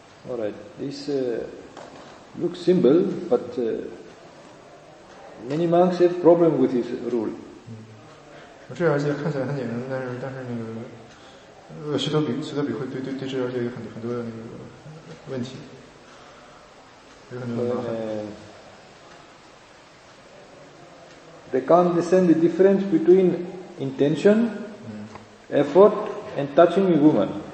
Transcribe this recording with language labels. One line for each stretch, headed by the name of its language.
English: All right, this looks simple, but many monks have problem with this rule.
Chinese: 这条戒看起来很简单，但是那个，须陀比会对这条戒有很多那个问题，有很多麻烦。
English: They can't discern the difference between intention, effort, and touching a woman.